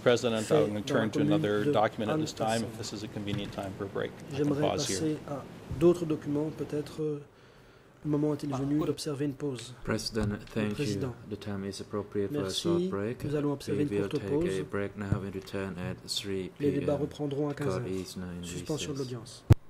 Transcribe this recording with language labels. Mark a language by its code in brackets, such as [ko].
[en] President, I'm going to turn to another document at this time, if this is a convenient time for a break. [fr] J'aimerais passer à d'autres documents, peut-être le moment est-il venu d'observer une pause. [en] President, thank you. The time is appropriate for a short break. [fr] Nous allons observer une courte pause. [en] We will take a break now and return at 3 p.m. [fr] Les débats reprendront à 15 heures. Suspension de l'audience.